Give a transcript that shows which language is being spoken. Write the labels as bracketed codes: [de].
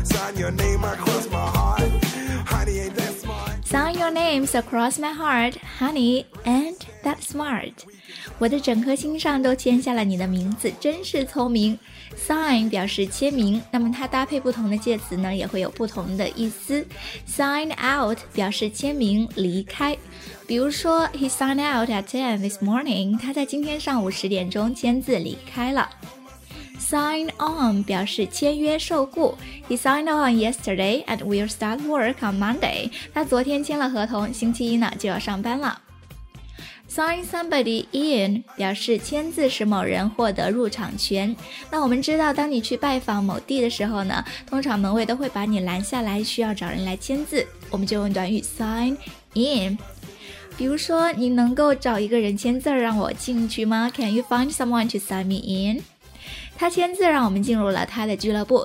[en] Sign your name across my heart, honey, ain't that smart? Sign your names across my heart, honey, ain't that smart? [zh] 我的整颗心上都签下了你的名字，真是聪明。 Sign 表示签名，那么它搭配不同的介词呢，也会有不同的意思。 [en] Sign out [zh] 表示签名离开，比如说 [en] He signed out at 10 this morning， [zh] 他在今天上午10点签字离开了。 [en] Sign on [zh] 表示签约受雇， [en] He signed on yesterday and will start work on Monday， [zh] 他昨天签了合同，星期一呢就要上班了。 [en] Sign somebody in [zh] 表示签字使某人获得入场权。那我们知道，当你去拜访某地的时候呢，通常门卫都会把你拦下来，需要找人来签字，我们就用短语 [en] sign in。 [zh] 比如说，你能够找一个人签字让我进去吗？ [en] Can you find someone to sign me in? [zh] 他签字让我们进入了他的俱乐部。